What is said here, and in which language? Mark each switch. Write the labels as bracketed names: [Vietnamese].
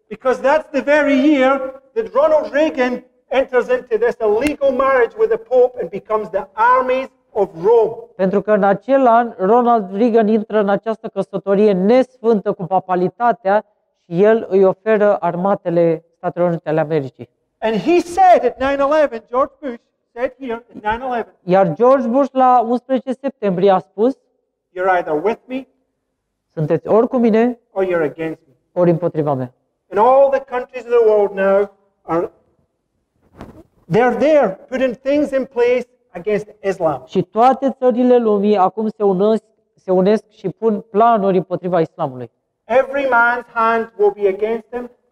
[English] Because that's the very year that Ronald Reagan enters into this illegal marriage with the Pope and becomes the armies of Rome. [Romanian] Pentru că în acel an Ronald Reagan intră în această căsătorie nesfântă cu papalitatea și el îi oferă armatele Statelor Unite ale Americii. [English] And he said at 9/11, George Bush said here at 9/11. [Romanian] Iar George Bush la 11 septembrie a spus: [English] You're either with me, [Romanian] sunteți ori cu mine, [English] or you're against me, [Romanian] ori împotriva mea. [English] And all the countries of the world now are they're there putting things in place against Islam. [Romanian] Și toate țările lumii acum se unesc și pun planuri împotriva islamului. [English] Every man's hand will be against him.